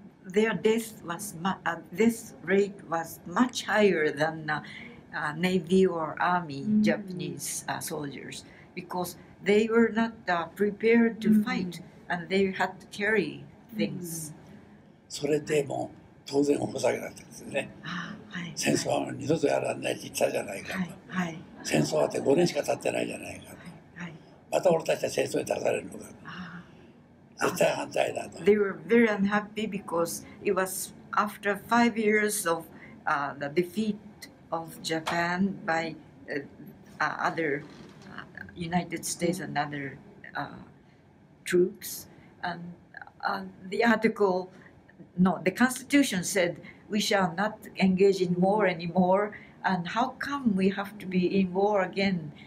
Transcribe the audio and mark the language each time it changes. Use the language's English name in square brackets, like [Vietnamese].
[English] their death was this rate was much higher than navy or army Japanese soldiers because they were not prepared to fight and they had to carry things、 [Japanese] それでも当然大騒ぎだったんですよね。戦争は二度とやらないって言ったじゃないかと、はいはい、戦争はって5年しか経ってないじゃないかと、はいはい、また俺たちは戦争に出されるのかと、絶対反対だと。 [English] They were very unhappy because it was after 5 years of the defeat of Japan by other United States and other troops and the article, no, the constitution said we shall not engage in war anymore, and how come we have to be in war again?